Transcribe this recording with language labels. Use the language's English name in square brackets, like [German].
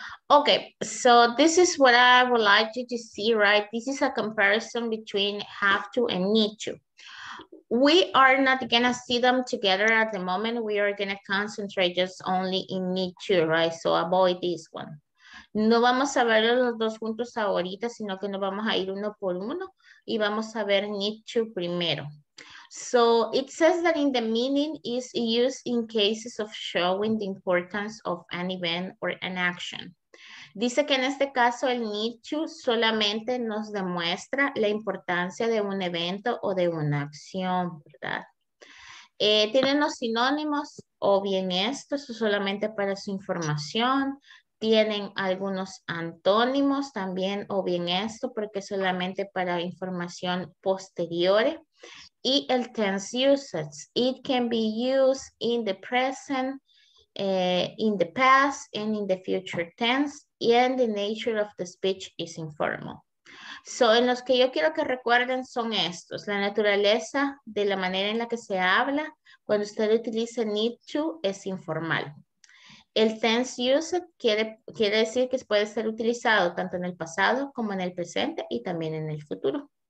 [English] Okay, so this is what I would like you to see, right? This is a comparison between have to and need to. We are not gonna see them together at the moment. We are gonna concentrate just only in need to, right? So avoid this one. [Spanish] No vamos a ver los dos juntos ahorita, sino que nos vamos a ir uno por uno y vamos a ver need to primero. [English] So it says that in the meaning is used in cases of showing the importance of an event or an action. [Spanish] Dice que en este caso el need to solamente nos demuestra la importancia de un evento o de una acción, ¿verdad? Tienen los sinónimos o bien esto, eso solamente para su información. Tienen algunos antónimos también o bien esto porque solamente para información posterior. Y el [English] tense usage, it can be used in the present, in the past, and in the future tense, and the nature of the speech is informal. [Spanish] So, en los que yo quiero que recuerden son estos, la naturaleza de la manera en la que se habla, cuando usted utiliza need to, es informal. El tense usage quiere decir que puede ser utilizado tanto en el pasado como en el presente y también en el futuro.